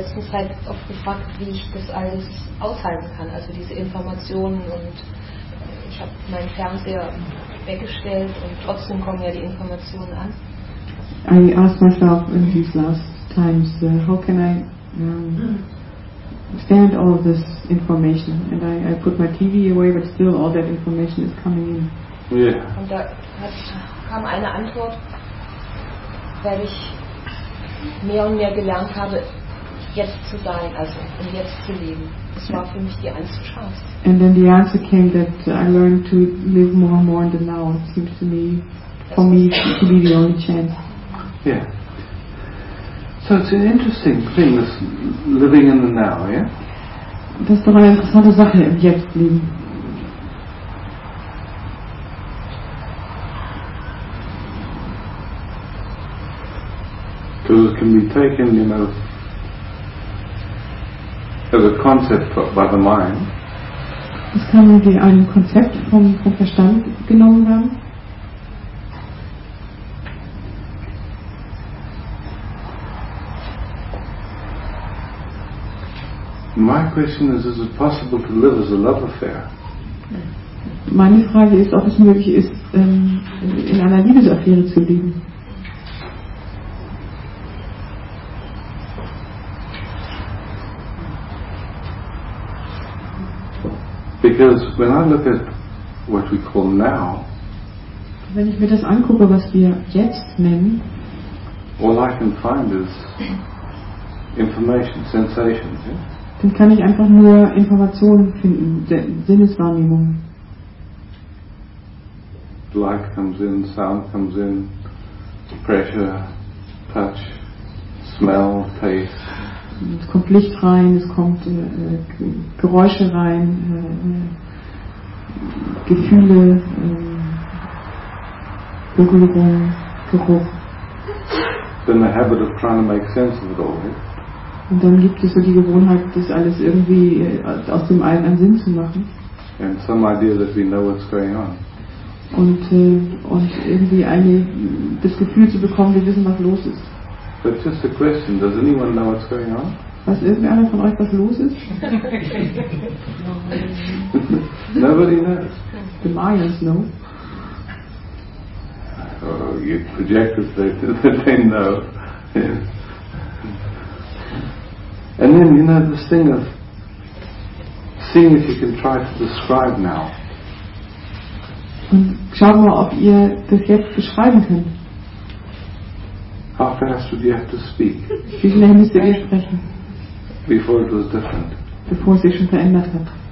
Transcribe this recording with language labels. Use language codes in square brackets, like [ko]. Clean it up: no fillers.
[de] Zeit oft gefragt, wie ich das alles aushalten kann, also diese Informationen und ich habe meinen Fernseher weggestellt und trotzdem kommen ja die Informationen an. [en] I asked myself in these last times, how can I stand all of this information? And I put my TV away, but still all that information is coming in. Yeah. [de] Und da kam eine Antwort, weil ich mehr und mehr gelernt habe, jetzt zu sein, also um jetzt zu leben. Das war für mich die einzige Chance. [en] And then the answer came that I learned to live more and more in the now. It seems to me, for me, to be the only chance. Yeah. So it's an interesting thing, this living in the now, yeah? [de] Das ist doch eine interessante Sache, im Jetzt leben. [en] Because it can be taken, you know, as a concept by the mind. [de] Es kann wie ein Konzept vom Verstand genommen werden. [en] My question is it possible to live as a love affair? [de] Meine Frage ist, ob es möglich ist, in einer Liebesaffäre zu leben. [en] Because when I look at what we call now, [de] wenn ich mir das angucke, was wir jetzt nennen, [en] all I can find is information, sensations. Yeah? [de] Dann kann ich einfach nur Informationen finden, Sinneswahrnehmungen. [en] Light comes in, sound comes in, pressure, touch, smell, taste. [de] Es kommt Licht rein, es kommt Geräusche rein, Gefühle, Berührung, Geruch. [en] Then the habit of trying to make sense of it all, eh? [de] Und dann gibt es so die Gewohnheit, das alles irgendwie aus dem Allen einen Sinn zu machen. [en] And some idea that we know what's going on. [de] Und irgendwie das Gefühl zu bekommen, wir wissen, was los ist. [en] But just a question, does anyone know what's going on? [de] Weiß irgendeiner von euch, was los ist? [en] Nobody knows. The Mayans know. Oh, you projectors, they know. And then, you know, this thing of seeing if you can try to describe now. [de] Und schauen wir, ob ihr das jetzt beschreiben könnt. [en] How fast would you have to speak? [de] Wie schnell müsst ihr sprechen? [en] Before it was different. [de] Bevor es sich schon verändert hat.